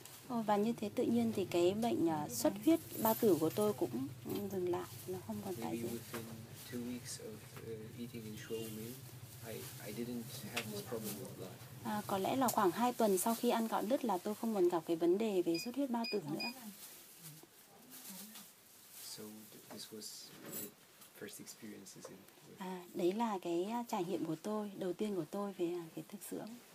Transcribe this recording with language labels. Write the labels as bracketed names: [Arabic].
[Vietnamese] Và như thế tự nhiên thì cái bệnh xuất huyết bao tử của tôi cũng dừng lại, nó không còn tái diễn. [English] Within 2 weeks of eating in shul meal, I didn't have this problem with blood. [Vietnamese] Có lẽ là khoảng 2 tuần sau khi ăn gạo lứt là tôi không còn gặp cái vấn đề về xuất huyết bao tử nữa. [English] So this was the first experiences in. [Vietnamese] Đấy là cái trải nghiệm của tôi, đầu tiên của tôi về cái thực dưỡng.